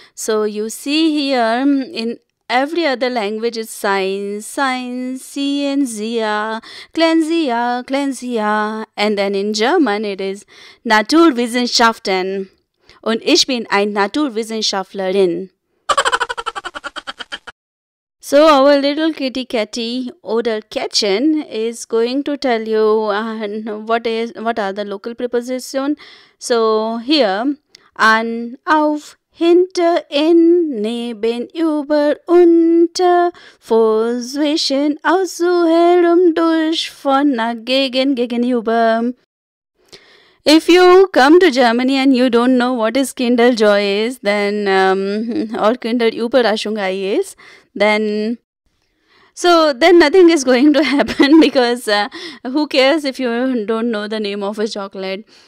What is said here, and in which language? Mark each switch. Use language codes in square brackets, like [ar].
[en] So you see here in every other language, it's Science, Cleansia, and then in German, it is Naturwissenschaften. [de] Und ich bin ein Naturwissenschaftlerin. [en] So our little kitty catty Oder Kätzchen is going to tell you what are the local prepositions. So here, [de] an, auf, hinter, in, neben, über, unter, vor, zwischen, außen, durch, von, nach, gegenüber. [en] If you come to Germany and you don't know what is Kinderjoy is, then or Kinderüberraschung is, then nothing is going to happen because who cares if you don't know the name of a chocolate.